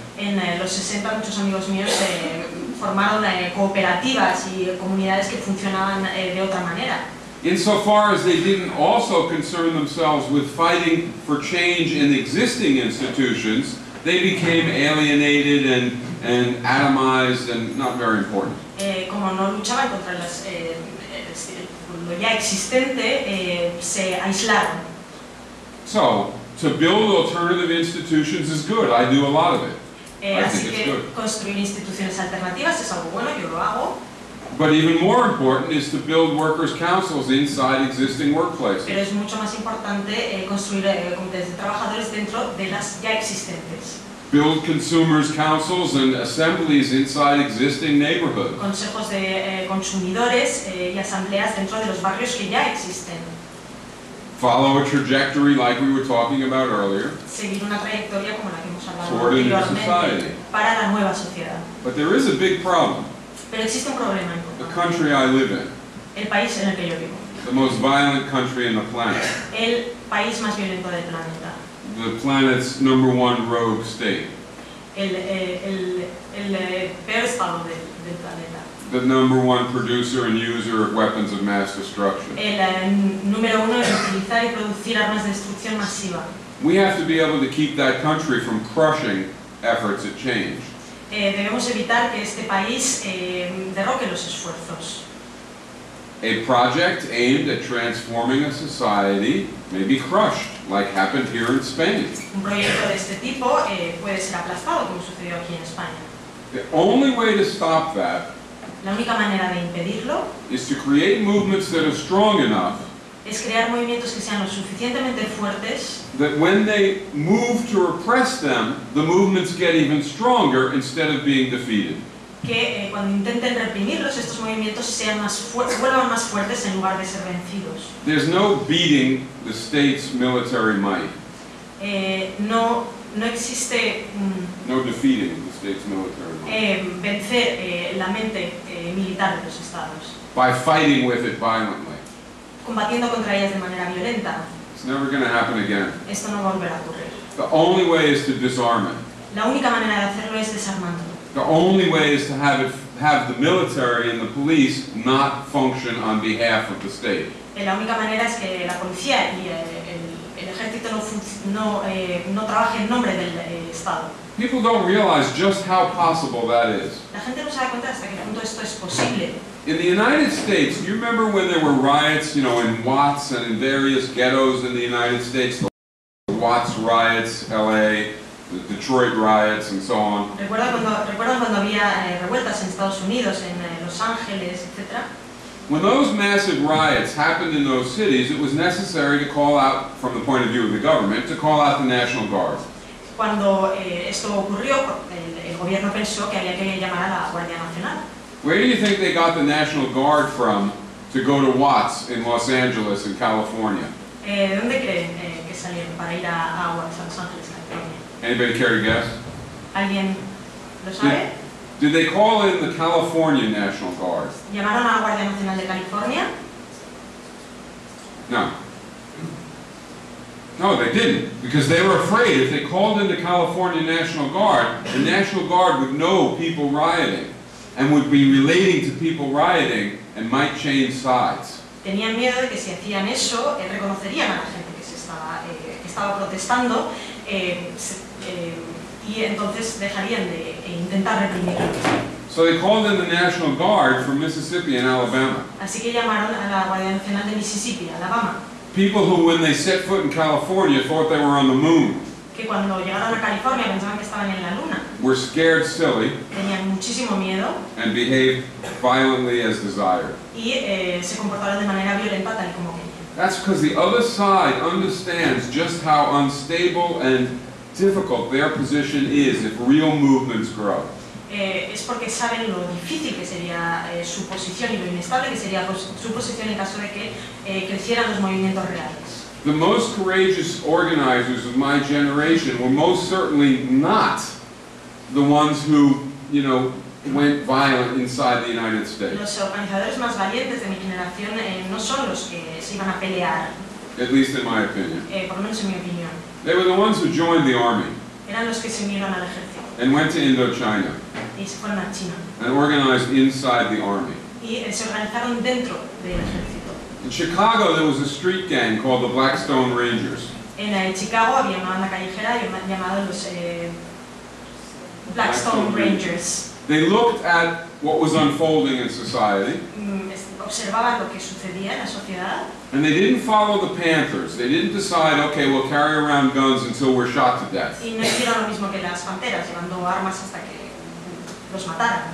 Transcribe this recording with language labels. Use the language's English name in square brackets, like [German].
[Spanish] En los 60 muchos amigos míos se formaron cooperativas y comunidades que funcionaban de otra manera. [English] Insofar as they didn't also concern themselves with fighting for change in existing institutions, they became alienated and atomized and not very important. [Spanish] Como no luchaban contra lo ya existente, se aislaron. [English] So, to build alternative institutions is good. I do a lot of it. [Spanish] Así que construir instituciones alternativas es algo bueno, yo lo hago. [English] But even more important is to build workers' councils inside existing workplaces. [Spanish] Pero es mucho más importante construir comités de trabajadores dentro de las ya existentes. [English] Build consumers' councils and assemblies inside existing neighborhoods. [Spanish] Consejos de consumidores y asambleas dentro de los barrios que ya existen. [English] Follow a trajectory like we were talking about earlier. [Spanish] Seguir una trayectoria como la que hemos hablado anteriormente para la nueva sociedad. [English] But there is a big problem. [Spanish] Pero existe un problema. [English] The country I live in. [Spanish] El país en el que yo vivo. [English] The most violent country in the planet. [Spanish] El país más violento del planeta. [English] The planet's number one rogue state. [Spanish] El peor estado del planeta. [English] The number one producer and user of weapons of mass destruction. [Spanish] El número uno en utilizar y producir armas de destrucción masiva. [English] We have to be able to keep that country from crushing efforts at change. [Spanish] Debemos evitar que este país derroque los esfuerzos. [English] A project aimed at transforming a society may be crushed, like happened here in Spain. [Spanish] Un proyecto de este tipo puede ser aplastado, como sucedió aquí en España. [English] The only way to stop that, [Spanish] la única manera de impedirlo, [English] is to create movements that are strong enough, [Spanish] es crear movimientos que sean lo suficientemente fuertes, [English] that when they move to repress them, the movements get even stronger instead of being defeated. [Spanish] Que cuando intenten reprimirlos, estos movimientos sean más vuelvan más fuertes en lugar de ser vencidos. [English] There's no beating the state's military might. [Spanish] No existe. [English] No defeating the state's military might. [Spanish] Vencer la mente militar de los estados. [English] By fighting with it violently. [Spanish] Combatiendo contra ellas de manera violenta. [English] It's never going to happen again. [Spanish] Esto no volverá a ocurrir. [English] The only way is to disarm it. [Spanish] La única manera de hacerlo es desarmándolo. [English] The only way is to have it, have the military and the police not function on behalf of the state. [Spanish] La única manera es que la policía y el ejército no trabaje en nombre del estado. [English] People don't realize just how possible that is. [Spanish] La gente no se da cuenta hasta qué punto esto es posible. [English] In the United States, do you remember when there were riots, you know, in Watts and in various ghettos in the United States, the Watts riots, LA, the Detroit riots and so on. [Spanish] ¿Recuerdan cuando había revueltas en Estados Unidos, en Los Ángeles, etcétera? [English] When those massive riots happened in those cities, it was necessary to call out, from the point of view of the government, to call out the National Guard. [Spanish] Cuando esto ocurrió, el gobierno pensó que había que llamar a la Guardia Nacional. [English] Where do you think they got the National Guard from to go to Watts in Los Angeles in California? [Spanish] ¿Dónde creen que salieron para ir a Watts, a Los Ángeles? [English] Anybody care to guess? [Spanish] ¿Alguien lo sabe? [English] Did they call in the California National Guard? [Spanish] ¿Llamaron a la Guardia Nacional de California? [English] No. No, they didn't. Because they were afraid if they called in the California National Guard, the National Guard would know people rioting and would be relating to people rioting and might change sides. [Spanish] Tenían miedo de que si hacían eso, reconocerían a la gente que estaba protestando. Y entonces dejarían de intentar reprimirlo. [English] So they called in the National Guard from Mississippi and Alabama. [Spanish] Así que llamaron a la Guardia Nacional de Mississippi, Alabama. [English] People who, when they set foot in California, thought they were on the moon. [Spanish] Que cuando llegaron a California pensaban que estaban en la luna. [English] Were scared silly. [Spanish] Tenían muchísimo miedo. [English] And behaved violently as desired. [Spanish] Y se comportaron de manera violenta tal y como querían. [English] That's because the other side understands just how unstable and difficult their position is if real movements grow. [Spanish] Es porque saben lo difícil que sería su posición y lo inestable que sería su posición en caso de que crecieran los movimientos reales. [English] The most courageous organizers of my generation were most certainly not the ones who, you know, went violent inside the United States. [Spanish] Los organizadores más valientes de mi generación no son los que se iban a pelear. [English] At least in my opinion. [Spanish] Por lo menos en mi opinión. [English] They were the ones who joined the army. [Spanish] Eran los que se unieron al ejército. [English] And went to Indochina. [Spanish] Y se fueron a China. [English] And organized inside the army. [Spanish] Y se organizaron dentro del ejército. [English] In Chicago there was a street gang called the Blackstone Rangers. [Spanish] En Chicago había una banda callejera llamada los Blackstone Rangers. [English] They looked at what was unfolding in society. [Spanish] Observaban lo que sucedía en la sociedad. [English] And they didn't follow the Panthers. They didn't decide, okay, we'll carry around guns until we're shot to death. [Spanish] Y no hicieron lo mismo que las panteras, llevando armas hasta que los mataran.